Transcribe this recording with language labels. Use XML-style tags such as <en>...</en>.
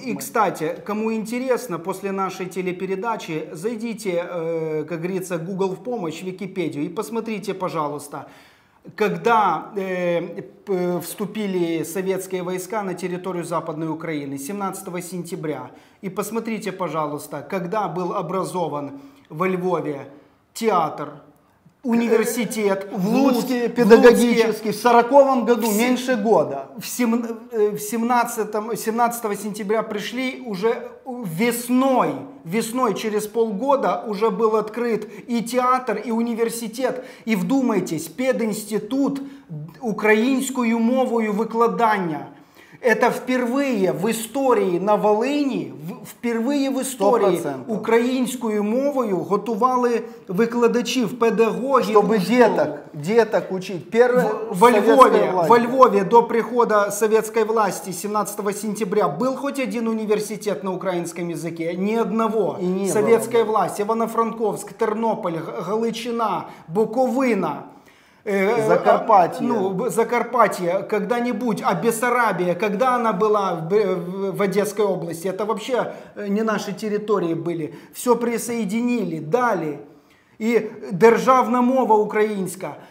<ru>И кстати, кому интересно, после нашей телепередачи зайдите, как говорится, Google в помощь, Википедию и посмотрите, пожалуйста, когда вступили советские войска на территорию Западной Украины, 17 сентября, и посмотрите, пожалуйста, когда был образован во Львове театр, университет, в Луцке, педагогический, в 40-м году, меньше года. В 17 сентября пришли уже весной. Весной, через полгода, уже был открыт и театр, и университет. И вдумайтесь, пединститут украинскую мову викладання. Это впервые в истории на Волині, впервые в истории 100%.</ru> <uk>Українською мовою готували викладачів, педагогів. Щоб діток учити. Во Львові до приходу совєтської влади</uk> <ru>17 сентября</ru> <uk>був хоч один університет на українському мові? Ні одного. Совєтської влади, Івано-Франковськ, Тернопіль, Галичина, Буковина. Закарпаття.</uk> <ru>Ну, Закарпаття, когда-нибудь, а Бессарабія, когда она была в Одесской области, это вообще не наши территории были. Все присоединили, дали.</ru> <uk>И державна мова українська.</uk>